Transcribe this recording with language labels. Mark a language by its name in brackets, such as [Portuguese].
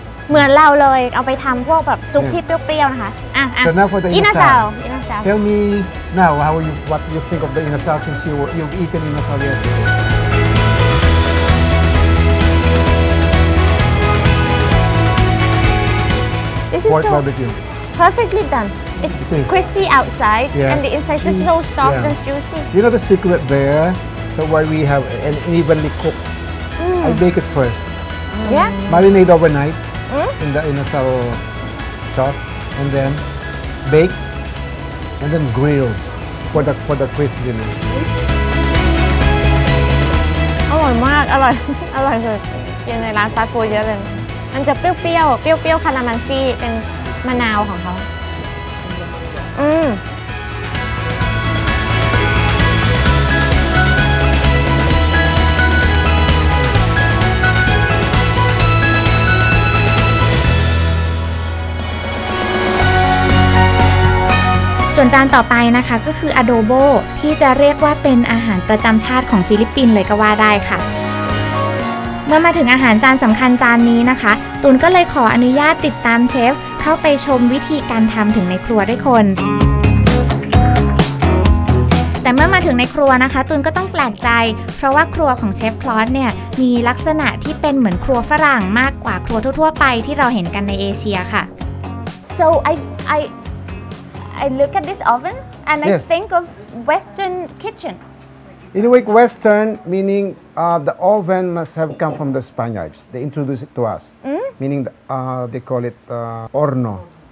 [Thai] เหมือนเราเลยเอาไปทำพวกแบบซุปที่เปรี้ยวๆนะคะ อินาซาว อินาซาว [English] Tell me now how you what you think of the inasal since you've eaten inasal yes This is so barbecue. Perfectly done. It's crispy outside and the inside is so soft and juicy. You know the secret there, so why we have an evenly cooked. I bake it first. Yeah. Marinate overnight. In the inasal sauce, and then bake, and then grill for the crispiness. [Thai] อร่อยมากอร่อยเลยกินในร้านฟาสต์ฟู้ดเยอะเลยมันจะเปรี้ยวๆเปรี้ยวๆคาราเมลซี่เป็นมะนาวของเขา วนจานต่อไปนะคะก็คืออโดโบที่จะเรียกว่าเป็นอาหารประจำชาติของฟิลิปปินส์เลยก็ว่าได้ค่ะเมื่อมาถึงอาหารจานสำคัญจานนี้นะคะตูนก็เลยขออนุญาตติดตามเชฟเข้าไปชมวิธีการทำถึงในครัวด้วยคนแต่เมื่อมาถึงในครัวนะคะตูนก็ต้องแปลกใจเพราะว่าครัวของเชฟคลอสเนี่ยมีลักษณะที่เป็นเหมือนครัวฝรั่งมากกว่าครัวทั่วๆไปที่เราเห็นกันในเอเชียค่ะ [English] So I look at this oven and I think of Western kitchen. In a way, Western meaning the oven must have come from the Spaniards. They introduced it to us. Meaning they call it horno.